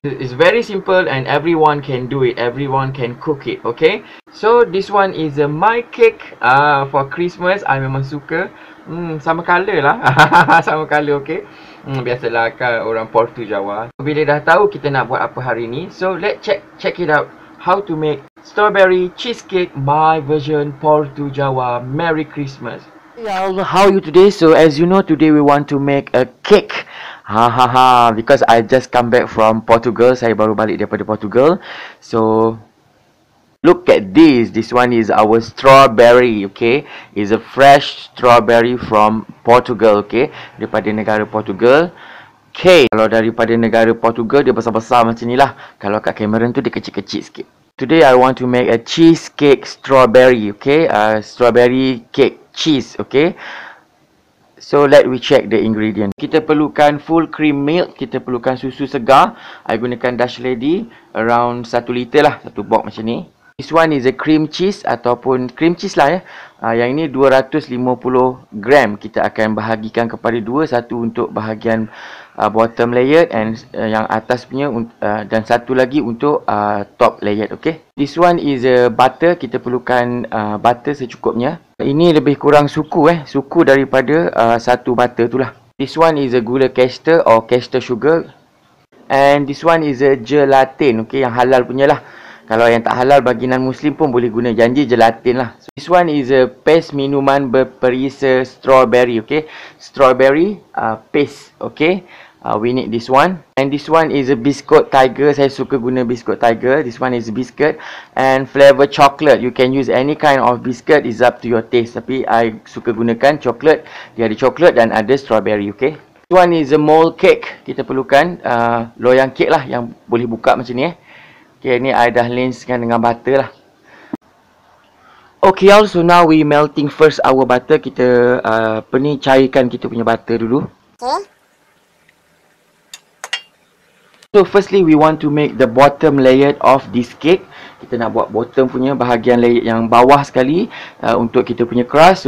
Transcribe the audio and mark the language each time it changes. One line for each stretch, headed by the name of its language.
English: It's very simple and everyone can do it. Everyone can cook it, okay? So this one is my cake for Christmas.
Malay: I memang suka. Sama colour lah. Sama colour, okay? Biasalah kan orang Porto Jawa. Bila dah tahu kita nak buat apa hari ni,
English: so let's check it out. How to make strawberry cheesecake, my version Porto Jawa. Merry Christmas. Hey Al, how are you today? So as you know, today we want to make a cake. Because I just come back from Portugal.
Malay: Saya baru balik daripada Portugal.
English: So look at this. This one is our strawberry, okay? It's a fresh strawberry from Portugal, okay?
Malay: Daripada negara Portugal. Okay, kalau daripada negara Portugal, dia besar-besar macam ni lah. Kalau kat Cameron tu, dia kecil-kecil sikit.
English: Today I want to make a cheesecake strawberry, okay? Strawberry cake cheese, okay? So let we check the ingredient.
Malay: Kita perlukan full cream milk, kita perlukan susu segar. I gunakan Dutch Lady around 1 liter lah, satu box macam ni.
English: This one is a cream cheese
Malay: ataupun cream cheese lah ya. Yang ini 250 gram kita akan bahagikan kepada dua, satu untuk bahagian bottom layer and yang atas punya dan satu lagi untuk top layer, okay.
English: This one is a butter,
Malay: kita perlukan butter secukupnya. Ini lebih kurang suku daripada satu butter tu lah.
English: This one is a gula caster or caster sugar. And this one is a gelatin, okay,
Malay: yang halal punya lah. Kalau yang tak halal bagi non-Muslim pun boleh guna janji gelatin lah.
English: So, this one is a paste
Malay: minuman berperisa
English: strawberry, okay? Strawberry paste, okay? We need this one. And this one is a biscuit tiger.
Malay: Saya suka guna biscuit tiger.
English: This one is biscuit. And flavor chocolate. You can use any kind of biscuit. It's up to your taste.
Malay: Tapi I suka gunakan chocolate. Dia ada chocolate dan ada strawberry, okay?
English: This one is a mold cake.
Malay: Kita perlukan loyang cake lah yang boleh buka macam ni, eh? Okay, ni I dah linskan dengan butter lah.
English: Okay, also now we melting first our butter.
Malay: Kita cairkan kita punya butter dulu.
English: Okay. So, firstly, we want to make the bottom layer of this cake.
Malay: Kita nak buat bottom punya bahagian layer yang bawah sekali untuk kita punya crust.